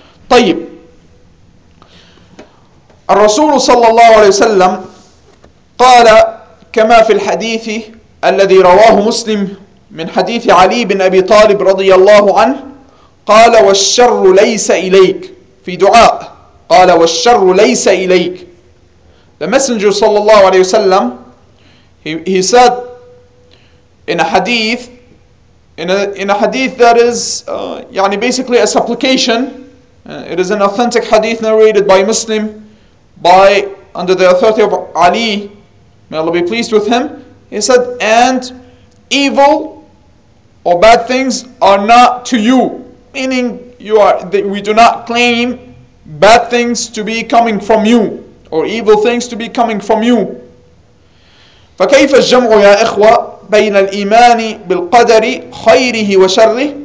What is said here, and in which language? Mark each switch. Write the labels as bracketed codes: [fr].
[ar] طيب, الرسول صلى الله عليه وسلم قال كما في الحديث الذي رواه مسلم من حديث علي بن أبي طالب رضي الله عنه, قال والشر ليس إليك, في دعاء, قال والشر ليس إليك. [en] The messenger صلى الله عليه وسلم, he said in a hadith that is basically a supplication, it is an authentic hadith narrated by Muslim under the authority of Ali, may Allah be pleased with him, he said, and evil or bad things are not to you, meaning we do not claim bad things to be coming from you or evil things to be coming from you. [ar] فكيف الجمع يا إخوة بين الإيمان بالقدر خيره وشره